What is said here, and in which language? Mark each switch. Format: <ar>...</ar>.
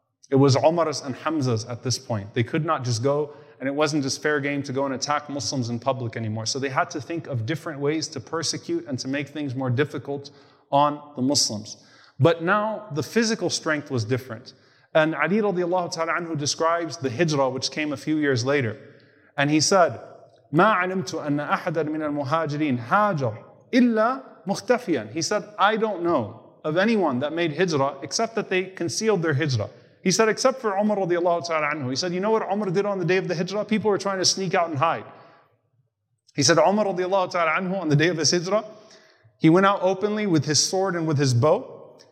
<en>It was Umar's and Hamza's at this point. They could not just go, and it wasn't just fair game to go and attack Muslims in public anymore. So they had to think of different ways to persecute and to make things more difficult on the Muslims. But now the physical strength was different. And Ali radiallahu ta'ala anhu describes the hijrah, which came a few years later. And he said,</en> <ar>مَا عَلِمْتُ أَنَّ أَحَدًا مِنَ الْمُهَاجِرِينَ هَاجَرْ إِلَّا مُخْتَفِيًا.</ar> <en>He said, I don't know of anyone that made hijrah except that they concealed their hijrah. He said, except for Umar radiallahu ta'ala anhu. He said, you know what Umar did on the day of the hijrah? People were trying to sneak out and hide. He said, Umar radiallahu ta'ala anhu, on the day of his hijrah, he went out openly with his sword and with his bow.</en>